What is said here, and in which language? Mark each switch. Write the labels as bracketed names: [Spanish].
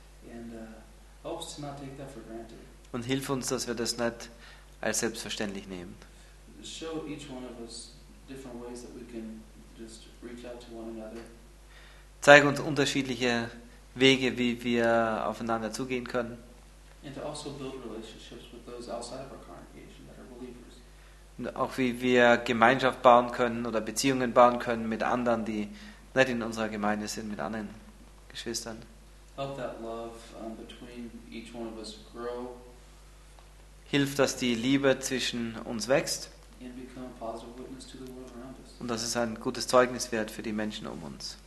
[English] And, help us to not take that for granted. [German] Und hilf uns, dass wir das nicht als selbstverständlich nehmen. [English] Show each one of us different ways that we can just reach out to one another. [German] Zeig uns unterschiedliche Wege, wie wir aufeinander zugehen können. [English] And to also build relationships with those outside of our congregation that are believers. [German] Und auch wie wir Gemeinschaft bauen können oder Beziehungen bauen können mit anderen, die nicht in unserer Gemeinde sind, mit anderen Geschwistern. [English] Help that love between each one of us grow. [German] Hilf, dass die Liebe zwischen uns wächst. [English] And become a positive witness to the world around us. [German] Und dass es ein gutes Zeugnis wird für die Menschen um uns.